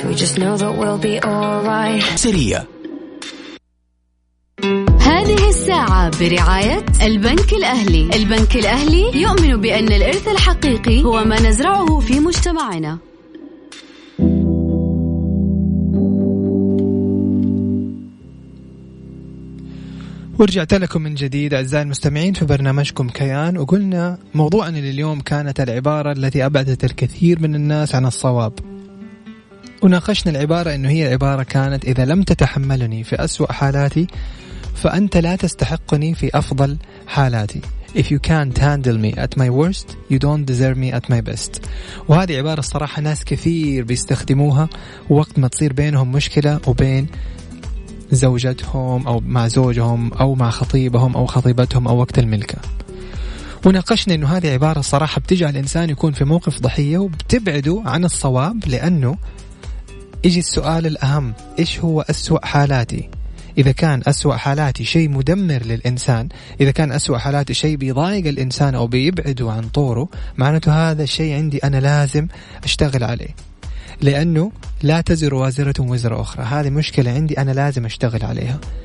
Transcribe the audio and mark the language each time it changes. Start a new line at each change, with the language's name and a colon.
English: We just know that we'll be alright.
Arabic: سريع. هذه الساعة برعاية البنك الأهلي. البنك الأهلي يؤمن بأن الإرث الحقيقي هو ما نزرعه في مجتمعنا. ورجعت لكم من جديد أعزائي المستمعين في برنامجكم كيان، وقلنا موضوعنا لليوم كانت العبارة التي أبعدت الكثير من الناس عن الصواب، وناقشنا العبارة إنه هي عبارة كانت إذا لم تتحملني في أسوأ حالاتي فأنت لا تستحقني في أفضل حالاتي.
English: If you can't handle me at my worst, you don't deserve me at my best.
Arabic: وهذه عبارة الصراحة ناس كثير بيستخدموها وقت ما تصير بينهم مشكلة وبين زوجتهم أو مع زوجهم أو مع خطيبهم أو خطيبتهم أو وقت الملكة. وناقشنا أنه هذه عبارة صراحة بتجعل الإنسان يكون في موقف ضحية وبتبعده عن الصواب، لأنه يجي السؤال الأهم، إيش هو أسوأ حالاتي؟ إذا كان أسوأ حالاتي شيء مدمر للإنسان، إذا كان أسوأ حالاتي شيء بيضايق الإنسان أو بيبعده عن طوره، معناته هذا الشيء عندي أنا لازم أشتغل عليه، لأنه لا تزر وازرة وزر أخرى، هذه مشكلة عندي أنا لازم أشتغل عليها.